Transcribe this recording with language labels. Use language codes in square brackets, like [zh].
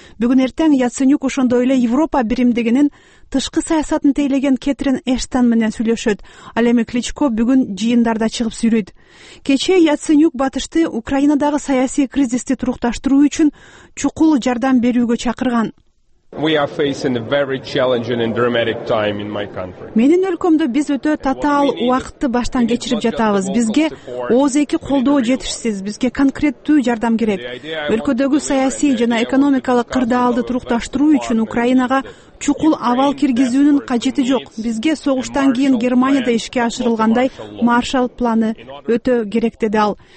[ky] Бүгүн эртең Яценюк ошондой эле Европа биримдигинин тышкы саясатын тейлеген Кэтрин Эштон менен сүйлөшөт. Ал эми Кличко бүгүн жыйындарда чыгып сүйлөйт. Кечээ Яценюк батышты Украинадагы саясий кризисти турукташтыруу үчүн чукул жардам берүүгө чакырган. [en] We are facing a very challenging and dramatic time in my country. [ky] Менин өлкөмдө биз өтө татаал убакытты баштан кечирип жатабыз. Бизге оозеки колдоо жетишсиз, бизге конкреттүү жардам керек. Өлкөдөгү саясий жана экономикалык кырдаалды турукташтыруу үчүн Украинага чукул абал киргизүүнүн кажети жок. Бизге согуштан кийин Германияда ишке ашырылгандай Маршал планы өтө керек, деди ал.